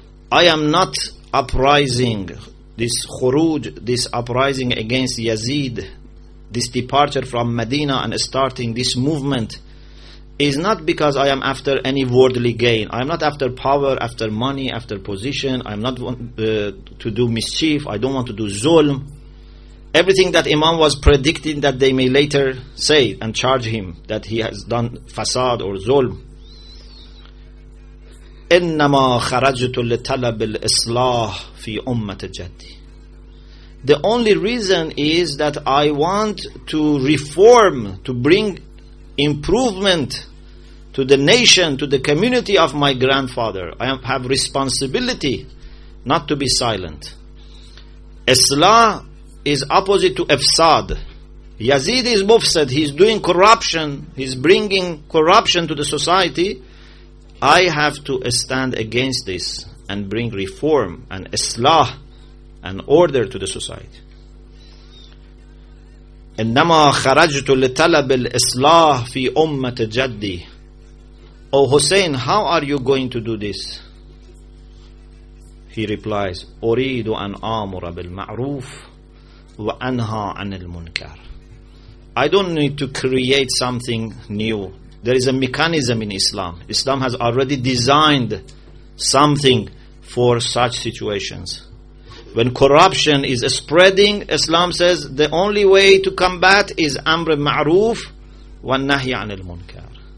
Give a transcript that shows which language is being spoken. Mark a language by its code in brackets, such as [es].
[en] I am not uprising, this khuruj, this uprising against Yazid, this departure from Medina and starting this movement, is not because I am after any worldly gain. I am not after power, after money, after position. I am not to do mischief. I don't want to do zulm. Everything that Imam was predicting that they may later say and charge him that he has done fasad or zulm. [ar] إنما خرجت لطلب الإصلاح في أمة جدي. [en] The only reason is that I want to reform, to bring improvement to the nation, to the community of my grandfather. I have responsibility not to be silent. Islah is opposite to Ifsad. Yazid is Mufsad. He's doing corruption. He's bringing corruption to the society. I have to stand against this and bring reform and Islah and order to the society. [ar] إنما خرجت لطلب الإصلاح في أمة جدي. [en] Oh Hussein, how are you going to do this? He replies, [ar] أريد أن آمر بالمعروف وأنهى عن المنكر. [en] I don't need to create something new. There is a mechanism in Islam. Islam has already designed something for such situations. When corruption is spreading, Islam says the only way to combat is Amr Ma'roof wa Nahi Anil Munkar.